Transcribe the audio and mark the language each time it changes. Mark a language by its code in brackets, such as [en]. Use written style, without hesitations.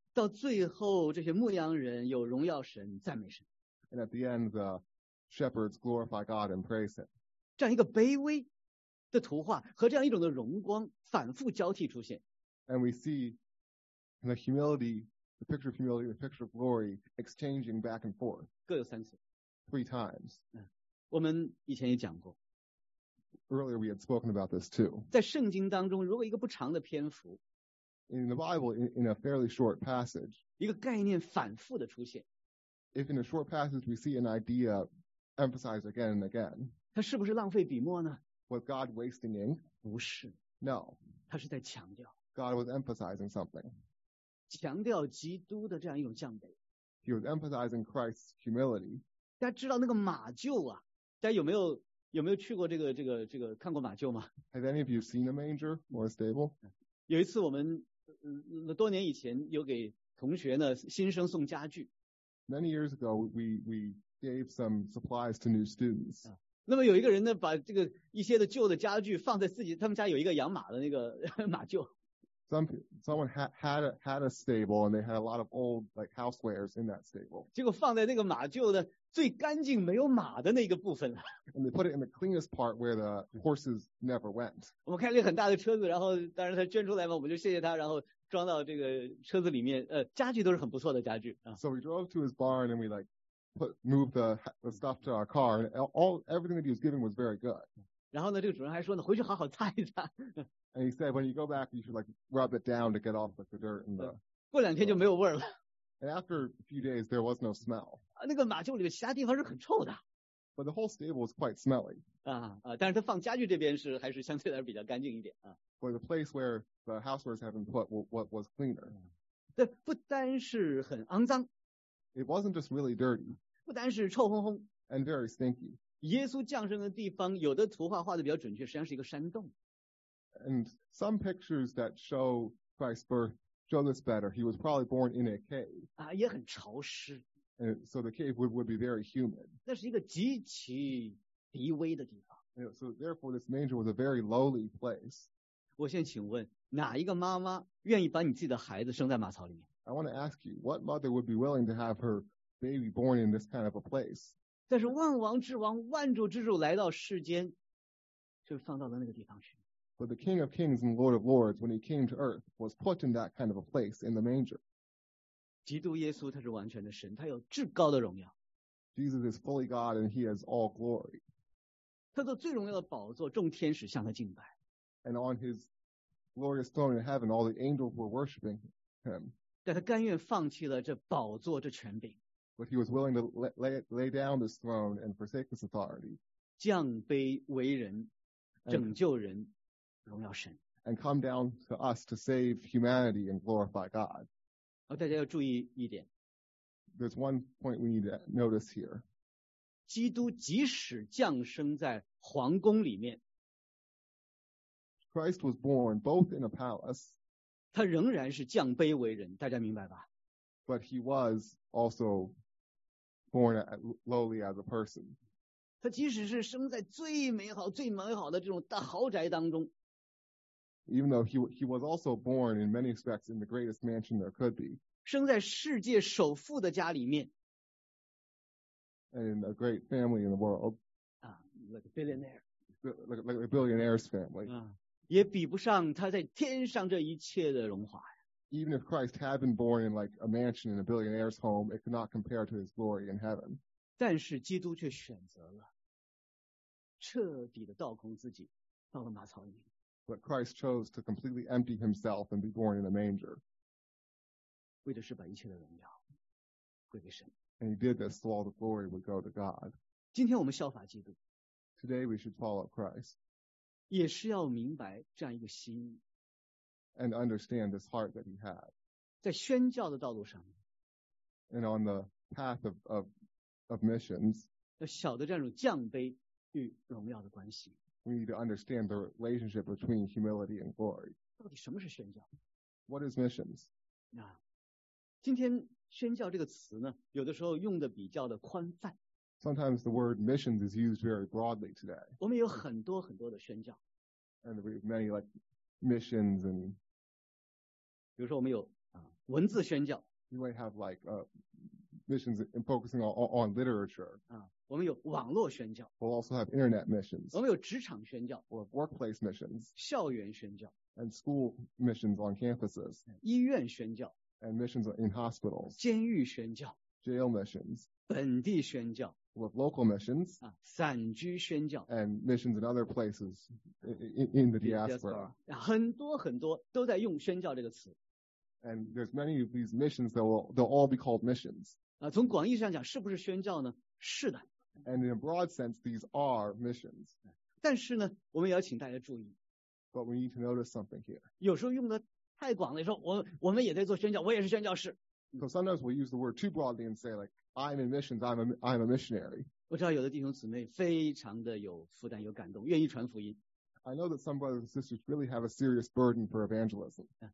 [zh] 到最后这些牧羊人有荣耀神赞美神。 [en] And at the end the shepherds glorify God and praise him. [zh] 这样一个卑微的图画和这样一种的荣光反复交替出现。 [en] And we see the humility, the picture of humility, the picture of glory exchanging back and forth. [zh] 各有三次。 [en] Three times. [zh] 我们以前也讲过。 [en] Earlier we had spoken about this too. [zh] 在圣经当中，如果一个不长的篇幅 [en] ，In the Bible, in a fairly short passage, [zh] 一个概念反复的出现。 [en] If in a short passage we see an idea emphasized again and again, [zh] 它是不是浪费笔墨呢 [en] ？Was God wasting ink? [zh] 不是。 [en] No. [zh] 他是在强调。 [en] God was emphasizing something. [zh] 强调基督的这样一种降卑。 [en] He was emphasizing Christ's humility. [zh] 大家知道那个马厩啊，大家有没有去过这个看过马厩吗 [en] ？Have any of you seen a manger or a stable？ [zh] 有一次我们多年以前有给同学呢新生送家具。 [en] Many years ago, we gave some supplies to new students.、啊、 [zh] 那么有一个人呢，把这个一些的旧的家具放在自己他们家有一个养马的那个马厩。 [en] Someone had a stable and they had a lot of old like housewares in that stable. [zh] 结果放在那个马厩的最干净没有马的那个部分。 [en] And they put it in the cleanest part where the horses never went. [zh] 我们开了一个很大的车子，然后当然他捐出来嘛，我们就谢谢他，然后装到这个车子里面。家具都是很不错的家具。 [en] So we drove to his barn and we like moved the stuff to our car and everything that he was giving was very good. [zh] 然后呢，这个主人还说呢，回去好好擦一擦。 [en] And he said, when you go back, you should like rub it down to get off the dirt and the. [zh] 过两天就没有味儿了。 [en] And after a few days, there was no smell. [zh] 那个马厩里面其他地方是很臭的。 [en] But the whole stable was quite smelly. [zh] 但是他放家具这边还是相对来说比较干净一点啊。 [en] But the place where the housewares had been put was cleaner. [zh] 对，不单是很肮脏。 [en] It wasn't just really dirty. [zh] 不单是臭烘烘。 [en] And very stinky. [zh] 耶稣降生的地方，有的图画画的比较准确，实际上是一个山洞。 [en] And some pictures that show Christ's birth show this better. He was probably born in a cave. [zh] 啊，也很潮湿。 [en] And so the cave would be very humid. [zh] 那是一个极其低微的地方。 [en] Yeah, so therefore, this manger was a very lowly place. [zh] 我现在请问，哪一个妈妈愿意把你自己的孩子生在马槽里面 [en] ？I want to ask you, what mother would be willing to have her baby born in this kind of a place? [zh] 但是万王之王万主之主来到世间就放到了那个地方去。 [en] But the King of Kings and Lord of Lords, when he came to earth, was put in that kind of a place in the manger. [zh] 基督耶稣他是完全的神，他有至高的荣耀。 [en] Jesus is fully God and he has all glory. [zh] 他坐最荣耀的宝座，众天使向他敬拜。 [en] And on his glorious throne in heaven, all the angels were worshiping him. [zh] 但他甘愿放弃了这宝座这权柄。 [en] But he was willing to lay down this throne and forsake this authority. [zh] 降卑为人，拯救人，荣耀神。 [en] And come down to us to save humanity and glorify God. [zh] 大家要注意一点。 [en] There's one point we need to notice here. [zh] 基督即使降生在皇宫里面。 [en] Christ was born both in a palace. [zh] 他仍然是降卑为人，大家明白吧？ [en] But he was also born lowly as a person. [zh] 他即使是生在最美好、最美好的这种大豪宅当中。 [en] Even though he was also born in many respects in the greatest mansion there could be. [zh] 生在世界首富的家里面。 [en] And in a great family in the world. Like a billionaire. Like a billionaire's family. [zh] 也比不上他在天上这一切的荣华。 [en] Even if Christ had been born in like a mansion in a billionaire's home, it could not compare to his glory in heaven. [zh] 但是基督却选择了彻底的倒空自己，到了马槽里。 [en] But Christ chose to completely empty himself and be born in a manger. [zh] 为的是把一切的荣耀归给神。 [en] And he did this so all the glory would go to God. [zh] 今天我们效法基督。 [en] Today we should follow Christ. [zh] 也是要明白这样一个心意。 [en] And understand this heart that he had. [zh] 在宣教的道路上。 [en] And on the path of missions. [zh] 要晓得这种降卑与荣耀的关系。 [en] We need to understand the relationship between humility and glory. [zh] 到底什么是宣教？ [en] What is missions? [zh] 今天宣教这个词呢，有的时候用的比较的宽泛。 [en] Sometimes the word missions is used very broadly today. [zh] 我们有很多很多的宣教。 [en] And we have many like missions and. [zh] 比如说我们有文字宣教。 [en] You might have like missions focusing on literature. [zh] 我们有网络宣教。 [en] We'll also have internet missions. [zh] 我们有职场宣教。 [en] We'll have workplace missions. [zh] 校园宣教。 [en] And school missions on campuses. [zh] 医院宣教。 [en] And missions in hospitals. [zh] 监狱宣教。 [en] Jail missions. [zh] 本地宣教。 [en] With local missions. [zh] 散居宣教。 [en] And missions in other places in the diaspora. [zh] 很多很多都在用宣教这个词。 [en] And there's many of these missions that they'll all be called missions. [zh] 从广义上讲是不是宣教呢？是的。 [en] And in a broad sense, these are missions. [zh] 但是呢，我们也要请大家注意。 [en] But we need to notice something here. [zh] 有时候用的太广了，说我们也在做宣教，我也是宣教士。 [en] So sometimes we use the word too broadly and say like, I'm in missions, I'm a missionary. [zh] 我知道有的弟兄姊妹非常的有负担，有感动，愿意传福音。 [en] I know that some brothers and sisters really have a serious burden for evangelism.